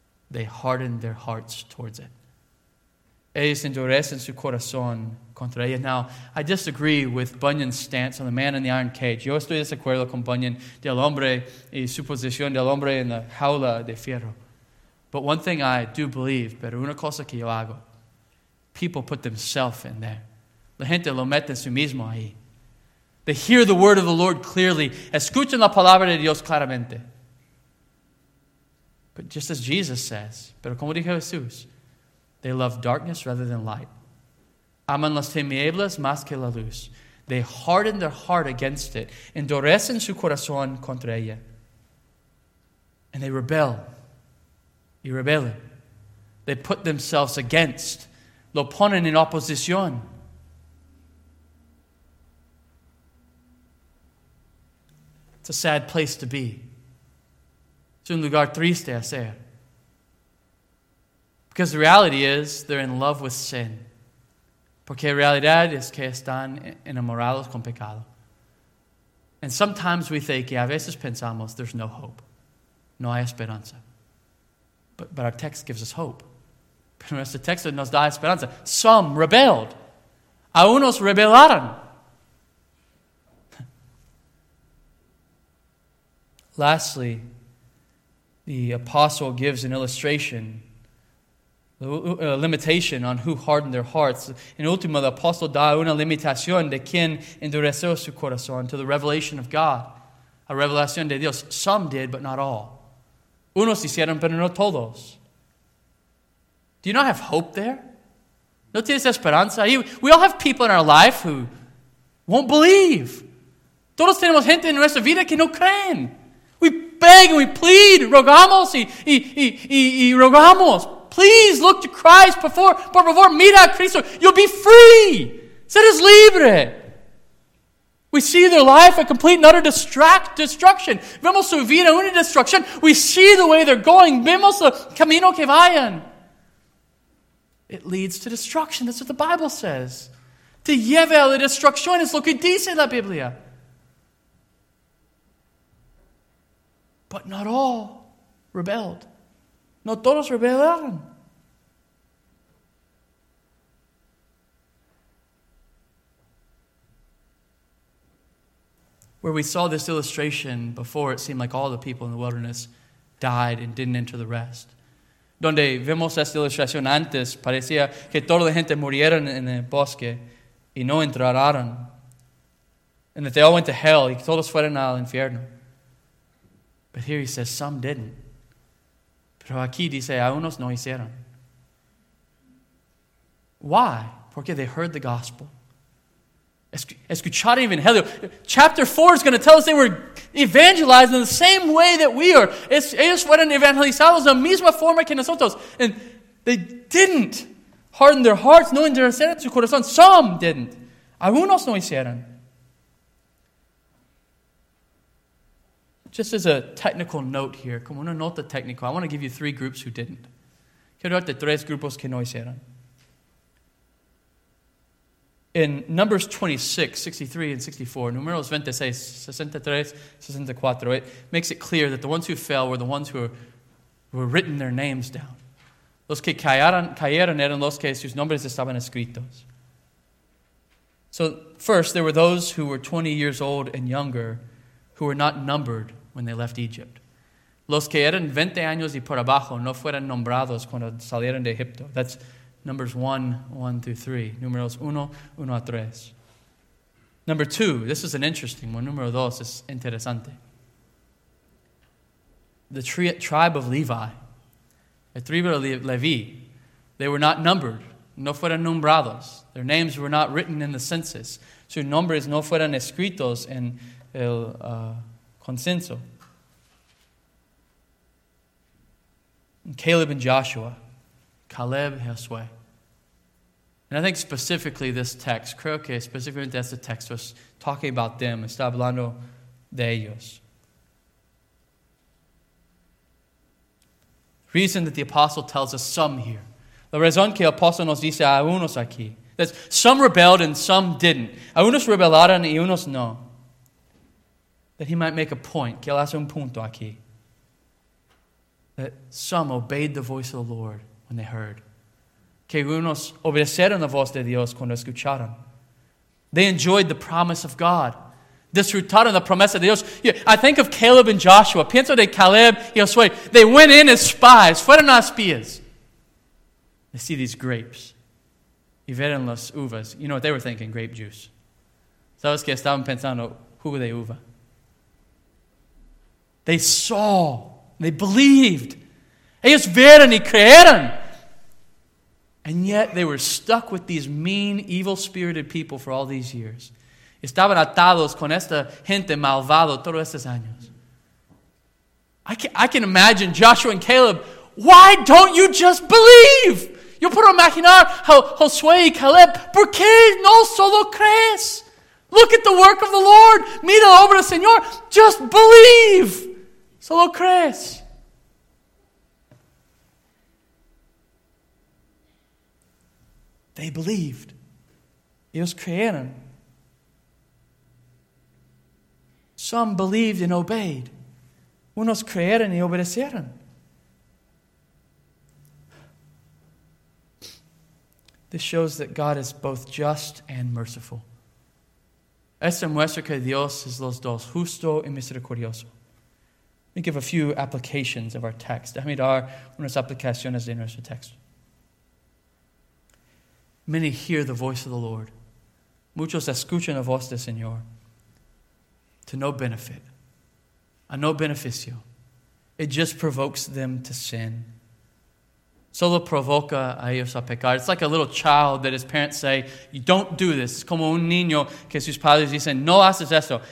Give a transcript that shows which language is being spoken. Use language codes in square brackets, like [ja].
[en] They harden their hearts towards it. [es] Ellos endurecen su corazón contra ella. [en] Now, I disagree with Bunyan's stance on the man in the iron cage. [es] Yo estoy desacuerdo con Bunyan del hombre y su posición del hombre en la jaula de fierro. [en] But one thing I do believe, [es] pero una cosa que yo hago, [en] people put themselves in there. [es] La gente lo mete en su mismo ahí. [en] They hear the word of the Lord clearly. [es] Escuchan la palabra de Dios claramente. [en] But just as Jesus says, [es] pero como dijo Jesús, [en] they love darkness rather than light. [es] Aman las tinieblas más que la luz. [en] They harden their heart against it. [es] Endurecen su corazón contra ella. [en] And they rebel. [es] Y rebelen. [en] They put themselves against. [es] Lo ponen en oposición. [en] It's a sad place to be. [es] Es un lugar triste hacer. [en] Because the reality is, they're in love with sin. [es] Porque la realidad es que están enamorados con pecado. [en] And sometimes we think, [es] y a veces pensamos, [en] there's no hope. [es] No hay esperanza. [en] But our text gives us hope. [es] Pero nuestro texto nos da esperanza. [en] Some rebelled. [es] A unos rebelaron. [en] Lastly, the apostle gives an illustration, a limitation on who hardened their hearts. [es] In ultimo, [en] the apostle [es] da una limitación de quien endureció su corazón [en] to the revelation of God, [es] a revelación de Dios. [en] Some did, but not all. [es] Unos hicieron, pero no todos. [en] Do you not have hope there? [es] ¿No tienes esperanza? [en] We all have people in our life who won't believe. [es] Todos tenemos gente en nuestra vida que no creen. [en] Beg and we plead, [es] rogamos y rogamos. [en] Please look to Christ before [es] mira a Cristo. [en] You'll be free. [es] Seres libre. [en] We see their life a complete and utter destruction. [es] Vemos su vida una destrucción. [en] We see the way they're going. [es] Vemos el camino que vayan. [en] It leads to destruction. That's what the Bible says. [es] Te lleva a la destrucción es lo que dice la Biblia. [en] But not all rebelled. [es] No todos rebelaron. [en] Where we saw this illustration before, it seemed like all the people in the wilderness died and didn't enter the rest. [es] donde vemos esta ilustración antes, parecía que toda la gente muriera en el bosque y no entraran. [en] And that they all went to hell [es] y todos fueron al infierno. [en] But here he says, some didn't. [es] Pero aquí dice, a unos no hicieron. [en] Why? Porque they heard the gospel. [es] Escucharon el evangelio. [en] Chapter 4 is going to tell us they were evangelized in the same way that we are. [es] Ellos fueron evangelizados de la misma forma que nosotros. [en] And they didn't harden their hearts, [es] no interesaron su corazón. [en] Some didn't. [es] Algunos no hicieron. [en] Just as a technical note here, [es] como una nota técnica, [en] I want to give you three groups who didn't. [es] Quiero darte tres grupos que no hicieron. [en] In Numbers 26, 63 and 64, [es] Numeros 26, 63, 64, [en] it makes it clear that the ones who fell were the ones who were written their names down. [es] Los que cayeron eran los que sus nombres estaban escritos. [en] So first, there were those who were 20 years old and younger who were not numbered when they left Egypt. [es] Los que eran 20 años y por abajo no fueron nombrados cuando salieron de Egipto. [en] That's Numbers 1, 1 through 3. [es] Numeros 1, 1 a 3. [en] Number 2, this is an interesting one. [es] Número 2 es interesante. [en] The tribe of Levi, the tribe of Levi, they were not numbered. [es] No fueron nombrados. [en] Their names were not written in the census. [es] Sus nombres no fueron escritos en el consenso. Caleb and Joshua. Caleb y Josué. [en] And I think specifically this text, [es] creo que específicamente este texto es [en] talking about them, [es] está hablando de ellos. [en] Reason that the apostle tells us some here. [es] La razón que el apóstol nos dice a unos aquí. [en] That some rebelled and some didn't. [es] A unos rebelaron y unos no. [en] That he might make a point. [es] Que él hace un punto aquí. [en] That some obeyed the voice of the Lord when they heard. [es] Que unos obedecieron la voz de Dios cuando escucharon. [en] They enjoyed the promise of God. [es] Disfrutaron la promesa de Dios. [en] I think of Caleb and Joshua. [es] Pienso de Caleb y Josué. [en] They went in as spies. [es] Fueron a espías. [en] They see these grapes. [es] Y vieron las uvas. [en] You know what they were thinking? Grape juice. [es] Sabes que estaban pensando, jugo de uva. [en] They saw. They believed. [es] Ellos vieron y creyeron. [en] And yet they were stuck with these mean, evil-spirited people for all these years. [es] Estaban atados con esta gente malvado todos estos años. [en] I can imagine Joshua and Caleb. Why don't you just believe? [es] Yo puedo imaginar Josué y Caleb. ¿Por qué no solo crees? [en] Look at the work of the Lord. [es] Mira la obra del Señor. [en] Just believe. [es] Solo crees. [en] They believed. [es] Ellos creyeron. [en] Some believed and obeyed. [es] Unos creyeron y obedecieron. [en] This shows that God is both just and merciful. [es] Esto muestra que Dios es los dos, justo y misericordioso. [en] Let me give a few applications of our text. [es] Déjame dar unas aplicaciones de nuestro texto. [en] Many hear the voice of the Lord. [es] Muchos escuchan la voz del Señor. [en] To no benefit. [es] A no beneficio. [en] It just provokes them to sin. [es] Solo provoca a ellos a pecar. [en] It's like a little child that his parents say, you don't do this. [es] It's como un niño que sus padres dicen, no haces esto.